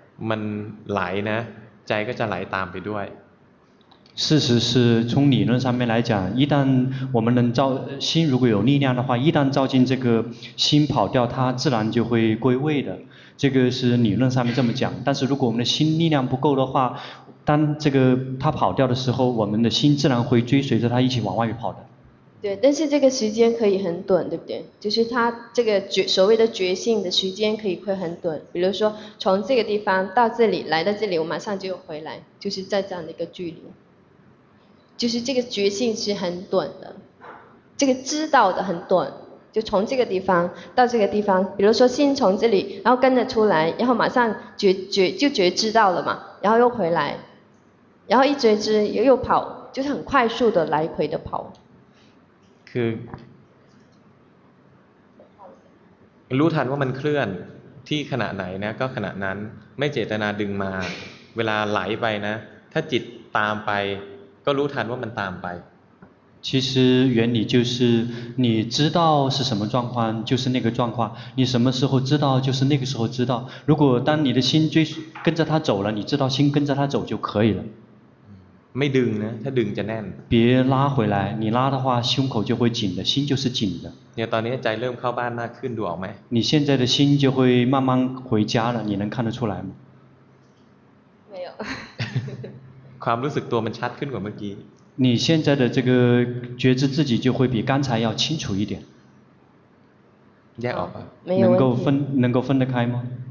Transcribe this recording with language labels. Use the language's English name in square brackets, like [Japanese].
[Thai] มันไหลนะใจก็จะไหลตามไปด้วย [Chinese] 事实是从理论上面来讲一旦我们能照心如果有力量的话一旦照进这个心跑掉它自然就会归位的这个是理论上面这么讲但是如果我们的心力量不够的话当这个它跑掉的时候我们的心自然会追随着它一起往外面跑的对但是这个时间可以很短对不对就是它这个所谓的觉性的时间可以会很短比如说从这个地方到这里来到这里我马上就回来就是在这样的一个距离就是这个觉性是很短的这个知道的很短就从这个地方到这个地方比如说心从这里然后跟着出来然后马上就觉知到了嘛然后又回来然后一觉知又跑就是很快速的来回的跑 [Thai] คือรู้ทันว่ามันเคลื่อนที่ขณะไหนนะก็ขณะนั้นไม่เจตนาดึงมาเวลาไหลไปนะถ้าจิตตามไปก็รู้ทันว่ามันตามไป [Chinese] 其实原理就是你知道是什么状况就是那个状况你什么时候知道就是那个时候知道如果当你的心追跟着他走了你知道心跟着他走就可以了 [Thai] ไม่ดึงนะถ้าดึงจะแน่น [Chinese] 别拉回来你拉的话胸口就会紧的心就是紧的 [Thai] เนี่ยตอนนี้ใจเริ่มเข้าบ้านมากขึ้นดูออกไหม [Chinese] 你现在的心就会慢慢回家了你能看得出来吗没有 [Thai] ความรู้สึกตัวมันชัดขึ้นกว่าเมื่อกี้ [Chinese] 你现在的这个觉知自己就会比刚才要清楚一点能够分得开吗